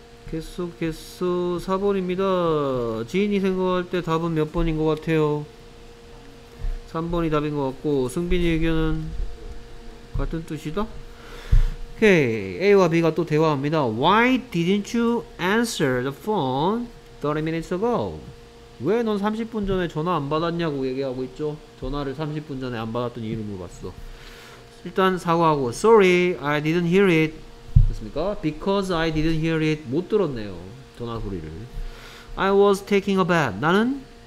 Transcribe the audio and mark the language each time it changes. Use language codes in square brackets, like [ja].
[ko] 계속 4번입니다. 지인이 생각할 때 답은 몇 번인 것 같아요? 3번이 답인 것 같고 승빈이 의견은 같은 뜻이다? [en] 오케이, okay. [ko] A와 B가 또 대화합니다. [en] Why didn't you answer the phone 30 minutes ago? [ko] 왜 넌 30분 전에 전화 안 받았냐고 얘기하고 있죠? 전화를 30분 전에 안 받았던 이유를 물어봤어. 일단 사과하고 [en] sorry I didn't hear it [ko] 됐습니까? [en] because I didn't hear it [ko] 못 들었네요 전화 소리를 [en] I was taking a bath [ko] 나는?